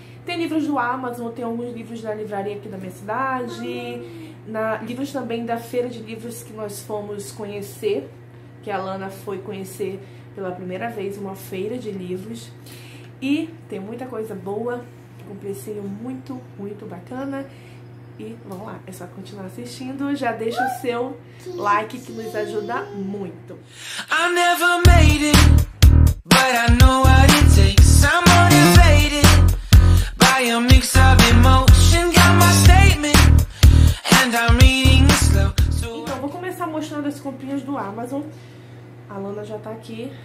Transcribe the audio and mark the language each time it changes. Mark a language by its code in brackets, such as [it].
[pt] Tem livros do Amazon, tem alguns livros da livraria aqui da minha cidade, livros também da feira de livros que nós fomos conhecer, que a Alana foi conhecer pela primeira vez, uma feira de livros. E tem muita coisa boa, com precinho muito, muito bacana. E vamos lá, é só continuar assistindo. Já deixa o seu like que nos ajuda muito. [en] I never made it, but I know what it takes. I'm motivated by a mix of emotion. Got my statement and I'm reading slow. [pt] Então vou começar mostrando as comprinhas do Amazon. A Lana já tá aqui.